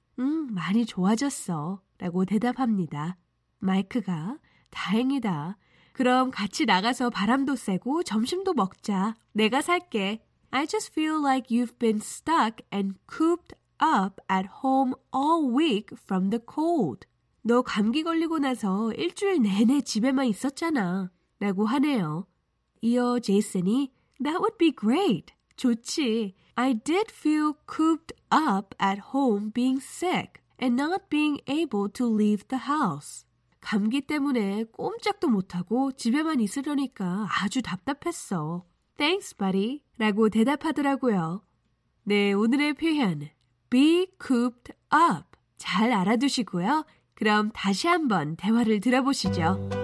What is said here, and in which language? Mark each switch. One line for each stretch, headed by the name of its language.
Korean: 많이 좋아졌어 라고 대답합니다. 마이크가 다행이다. 그럼 같이 나가서 바람도 쐬고 점심도 먹자. 내가 살게.
English: I just feel like you've been stuck and cooped up at home all week from the cold.
Korean: 너 감기 걸리고 나서 일주일 내내 집에만 있었잖아. 라고 하네요. 이어 제이슨이
English: That would be great.
Korean: 좋지.
English: I did feel cooped up at home being sick and not being able to leave the house.
Korean: 감기 때문에 꼼짝도 못하고 집에만 있으려니까 아주 답답했어.
English: Thanks, buddy.
Korean: 라고 대답하더라고요. 네, 오늘의 표현, be cooped up. 잘 알아두시고요. 그럼 다시 한번 대화를 들어보시죠.